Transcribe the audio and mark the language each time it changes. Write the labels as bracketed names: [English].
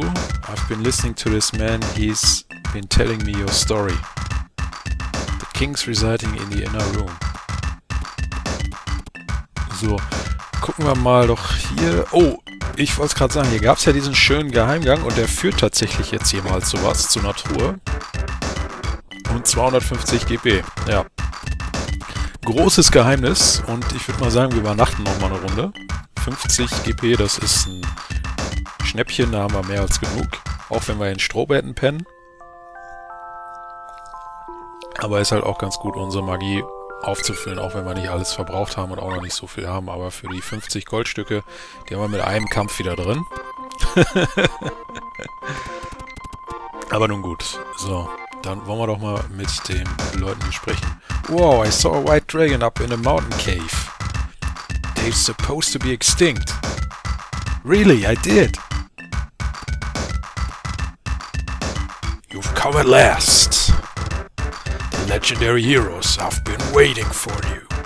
[English] I've been listening to this man. He's been telling me your story. The king's residing in the inner room. [German] So, gucken wir mal doch hier. Oh, ich wollte es gerade sagen, hier gab es ja diesen schönen Geheimgang und der führt tatsächlich jetzt hier mal zu was, zu einer Truhe. Und 250 GP, ja. Großes Geheimnis und ich würde mal sagen, wir übernachten nochmal eine Runde. 50 GP, das ist ein Schnäppchen, da haben wir mehr als genug. Auch wenn wir in Strohbetten pennen. Aber ist halt auch ganz gut, unsere Magie aufzufüllen, auch wenn wir nicht alles verbraucht haben und auch noch nicht so viel haben. Aber für die 50 Goldstücke, die haben wir mit einem Kampf wieder drin. Aber nun gut. So, dann wollen wir doch mal mit den Leuten sprechen. [English] Wow, I saw a white dragon up in a mountain cave. They're supposed to be extinct. Really, I did. You've come at last. Legendary heroes, I've been waiting for you.